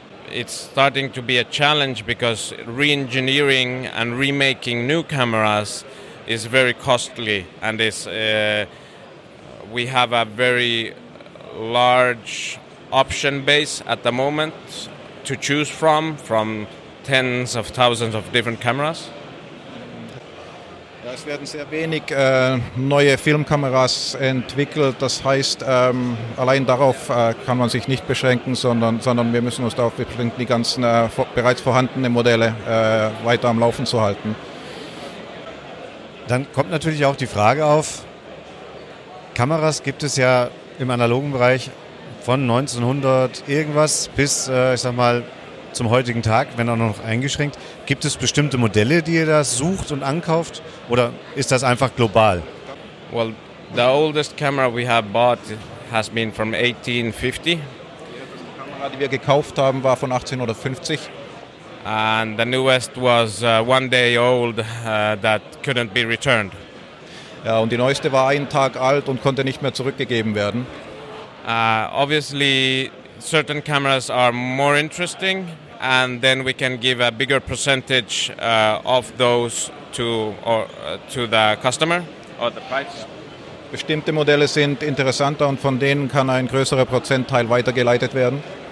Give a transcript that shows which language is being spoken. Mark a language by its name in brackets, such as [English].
[English] It's starting to be a challenge because re-engineering and remaking new cameras is very costly, and is we have a very large option base at the moment to choose from tens of thousands of different cameras. [German] Ja, es werden sehr wenig neue Filmkameras entwickelt. Das heißt, allein darauf kann man sich nicht beschränken, sondern wir müssen uns darauf beschränken, die ganzen bereits vorhandenen Modelle weiter am Laufen zu halten. Dann kommt natürlich auch die Frage auf, Kameras gibt es ja im analogen Bereich von 1900 irgendwas bis, ich sag mal, zum heutigen Tag, wenn auch noch eingeschränkt. Gibt es bestimmte Modelle, die ihr da sucht und ankauft, oder ist das einfach global? [English] Well, the oldest camera we have bought has been from 1850. [German] Die Kamera, die wir gekauft haben, war von 1850. [English] And the newest was one day old that couldn't be returned. [German] Ja, und die neueste war einen Tag alt und konnte nicht mehr zurückgegeben werden. [English] Obviously, certain cameras are more interesting, and then we can give a bigger percentage of those to the customer or the price. [German] Bestimmte Modelle sind interessanter und von denen kann ein größerer Prozentteil weitergeleitet werden.